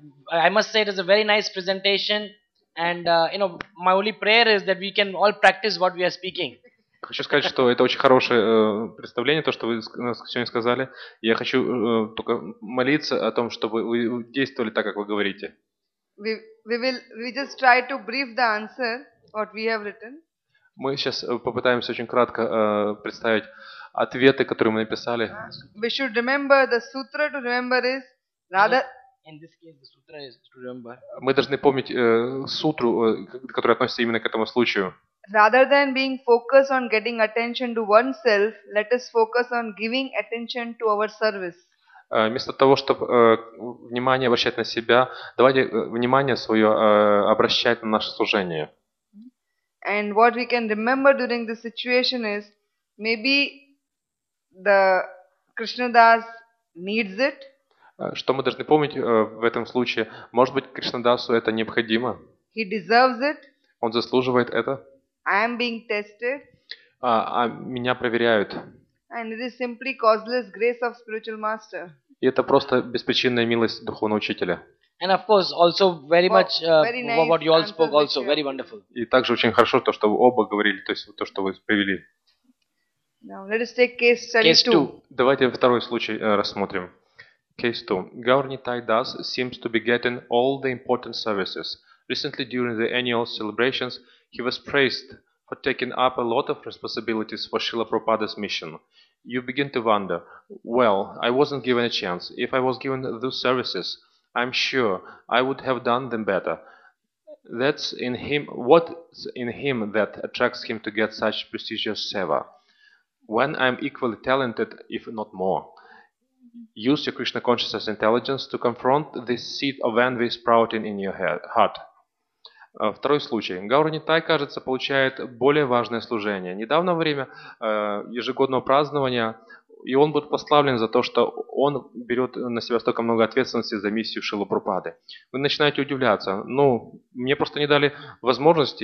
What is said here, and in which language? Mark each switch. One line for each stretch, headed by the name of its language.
English: I must say it is a very nice presentation, and you know, my only prayer is that we can all practice what we are speaking.
Russian: Хочу сказать, что это очень хорошее представление, то, что вы сегодня сказали. Я хочу только молиться о том, чтобы вы действовали так, как вы говорите.
English: We just try to brief the answer what we have written.
Russian: Мы сейчас попытаемся очень кратко представить ответы, которые мы написали.
English: We should remember the sutra to remember is. In this case, the sutra is to remember.
Russian: Мы должны помнить сутру, которая относится именно к этому случаю.
English: Rather than being focused on getting attention to oneself, let us focus on giving attention to our service.
Russian: Вместо того, чтобы внимание обращать на себя, давайте внимание свое обращать на наше служение.
English: And what we can remember during this situation is maybe the Krishna Das needs it.
Russian: Что мы должны помнить в этом случае? Может быть, Кришнадасу это необходимо?
English: He deserves it.
Russian: Он заслуживает это?
English: I am being tested.
Russian: Меня проверяют.
English: And it is simply causeless grace of spiritual master.
Russian: И это просто беспричинная милость духовного учителя.
English: And of course, also very much very nice what you all spoke also, very wonderful.
Russian: И также очень хорошо то, что вы оба говорили, то есть то, что вы привели.
English: Now let us take case study case two.
Russian: Давайте второй случай рассмотрим.
English: Case 2. Gaurni Tai Das seems to be getting all the important services. Recently, during the annual celebrations, he was praised for taking up a lot of responsibilities for Srila Prabhupada's mission. You begin to wonder, well, I wasn't given a chance. If I was given those services, I'm sure I would have done them better. That's in him. What's in him that attracts him to get such prestigious seva? When I'm equally talented, if not more. Use your Krishna consciousness intelligence to confront this seed of envy sprouting in your heart.
Russian: Второй случай. Гаурани Тай, кажется, получает более важное служение. Недавно время ежегодного празднования, и он будет прославлен за то, что он берет на себя столько много ответственности за миссию Шрилы Прабхупады. Вы начинаете удивляться. Ну, мне просто не дали возможности.